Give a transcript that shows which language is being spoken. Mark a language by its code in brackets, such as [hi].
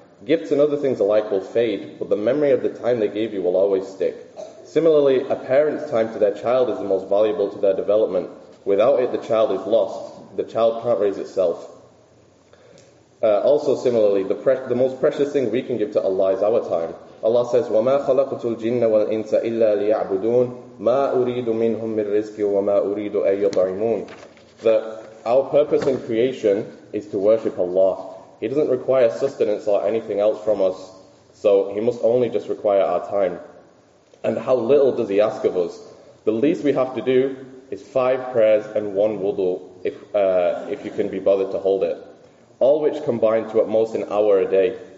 [en] Gifts and other things alike will fade, but the memory of the time they gave you will always stick. Similarly, a parent's time to their child is the most valuable to their development. Without it, the child is lost. The child can't raise itself. Also similarly, the most precious thing we can give to Allah is our time. [ar] Allah says, وَمَا خَلَقْتُ الْجِنَّ وَالْإِنسَ إِلَّا لِيَعْبُدُونَ مَا أُرِيدُ مِنْهُم مِّن رِزْكِ وَمَا أُرِيدُ أَن يُطْعِمُونَ, [en] that our purpose in creation is to worship Allah. He doesn't require sustenance or anything else from us, so he must only just require our time. And how little does he ask of us? The least we have to do is 5 prayers and 1 wudu, if you can be bothered to hold it, all which combine to at most an hour a day.